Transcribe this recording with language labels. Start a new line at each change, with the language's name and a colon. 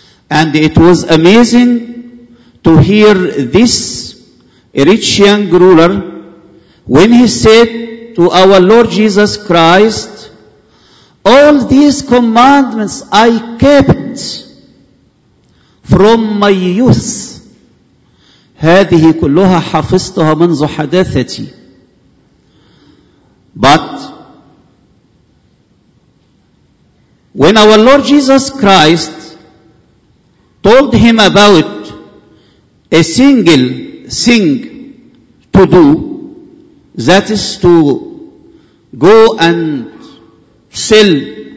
English: And it was amazing to hear this rich young ruler when he said to our Lord Jesus Christ, "All these commandments I kept from my youth."
Arabic: هذه كلها حفظتها منذ حداثتي.
English: But when our Lord Jesus Christ told him about a single thing to do, that is to go and sell